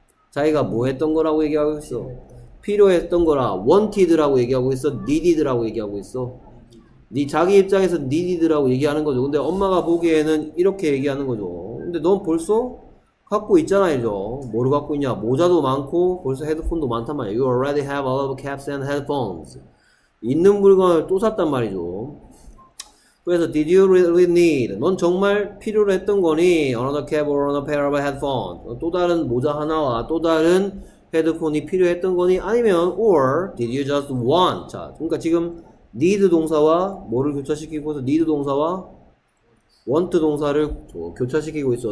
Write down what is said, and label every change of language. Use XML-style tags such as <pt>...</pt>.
<ko>자기가 뭐 했던 거라고 얘기하고 있어? 필요했던 거라 wanted라고 얘기하고 있어? needed라고 얘기하고 있어? 네 자기 입장에서 needed라고 얘기하는 거죠. 근데 엄마가 보기에는 이렇게 얘기하는 거죠. 근데 넌 벌써 갖고 있잖아, 이죠. 뭐를 갖고 있냐? 모자도 많고 벌써 헤드폰도 많단 말이야.</ko> <en>You already have all of caps and headphones.</en> <ko>있는 물건을 또 샀단 말이죠. 그래서</ko> <en>did you really need?</en> <ko>넌 정말 필요로 했던 거니?</ko> <en>Another cap or another pair of headphones.</en> <ko>또 다른 모자 하나와 또 다른 헤드폰이 필요했던 거니? 아니면</ko> <en>or did you just want?</en> <ko>자, 그러니까 지금 need 동사와 뭐를 교차시키고서 need 동사와 want 동사를 교차시키고 있어.</ko>